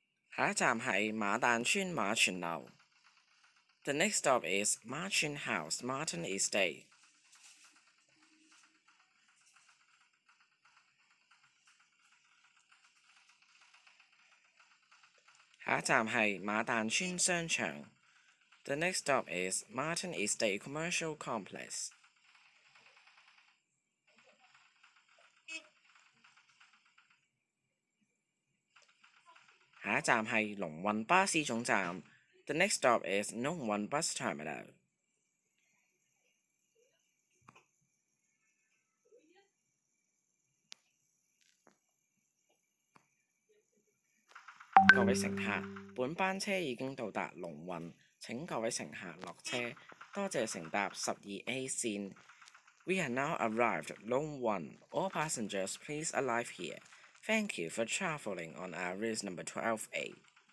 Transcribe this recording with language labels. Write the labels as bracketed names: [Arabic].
[Chinese] 下一站是马弹村马泉楼。 [English] The next stop is Martin House, Martin Estate. [Chinese] 下一站是马弹村商场。 [English] The next stop is Martin Estate Commercial Complex. [Chinese] 下一站是龙运巴士总站。 [English] The next stop is Nong Wan Bus Terminal. [Chinese] 各位乘客，本班车已经到达龙运，请各位乘客落车，多谢乘搭12A 线。 [English] We are now arrived at Nong Wan. All passengers please arrive here.Thank you for traveling on our route number 12A.